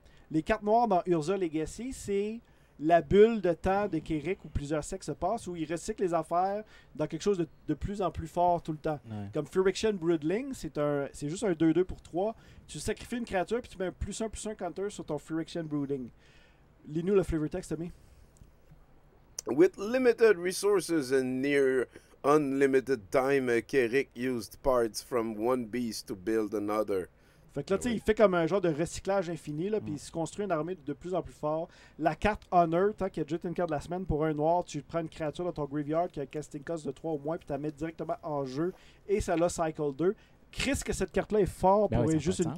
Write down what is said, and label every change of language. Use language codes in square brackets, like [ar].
[fr] Les cartes noires dans Urza Legacy, c'est... la bulle de temps de Kirik où plusieurs siècles se passent, où il recycle les affaires dans quelque chose de plus en plus fort tout le temps. Ouais. Comme Phyrexian Broodling, c'est juste un 2-2 pour 3. Tu sacrifies une créature puis tu mets un +1/+1 counter sur ton Phyrexian Brooding. Lis-nous le flavor text, Tommy. [en] With limited resources and near unlimited time, Kirik used parts from one beast to build another. [fr] Fait que là, tu sais, il fait comme un genre de recyclage infini, là, puis il se construit une armée de plus en plus fort. La carte Honor, tu sais, qui a déjà été une carte de la semaine pour un noir, tu prends une créature dans ton graveyard qui a un casting cost de 3 au moins, puis tu la mets directement en jeu, et ça l'a Cycle 2. Chris, que cette carte-là est forte pour oui, juste une sens.